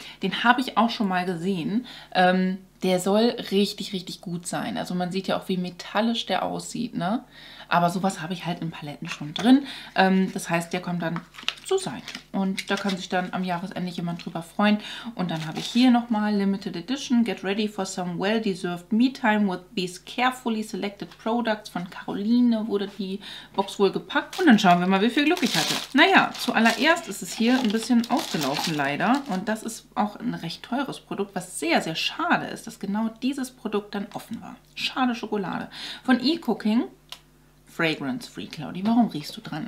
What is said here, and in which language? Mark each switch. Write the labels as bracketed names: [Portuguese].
[German] Den habe ich auch schon mal gesehen. Der soll richtig, richtig gut sein. Also man sieht ja auch, wie metallisch der aussieht, ne? Aber sowas habe ich halt in Paletten schon drin. Das heißt, der kommt dann zu Seite. Und da kann sich dann am Jahresende jemand drüber freuen. Und dann habe ich hier nochmal Limited Edition. [English] Get ready for some well-deserved me-time with these carefully selected products. [German] Von Caroline wurde die Box wohl gepackt. Und dann schauen wir mal, wie viel Glück ich hatte. Naja, zuallererst ist es hier ein bisschen ausgelaufen leider. Und das ist auch ein recht teures Produkt, was sehr, sehr schade ist. Das dass genau dieses Produkt dann offen war. Schade Schokolade. Von eCooking, Fragrance Free, Claudi, warum riechst du dran?